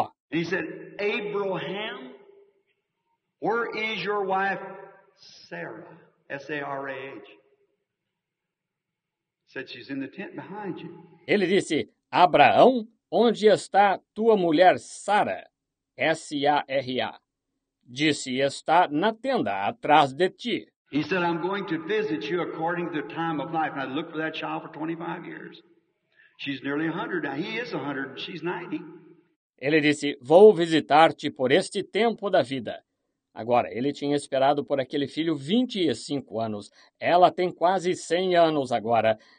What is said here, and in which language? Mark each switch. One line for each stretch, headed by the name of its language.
English: He said, Abraham, where is your wife Sarah? S-A-R-A-H. Said she's in the tent behind you.
Portuguese: Ele disse, Abraão, onde está tua mulher Sara? S-A-R-A. Disse, está na tenda, atrás de ti.
English: He said, I'm going to visit you according to the time of life. And I looked for that child for 25 years. She's nearly 100 now. He is 100 and she's 90.
Portuguese: Ele disse, vou visitar-te por este tempo da vida. Agora, ele tinha esperado por aquele filho 25 anos. Ela tem quase 100 anos agora.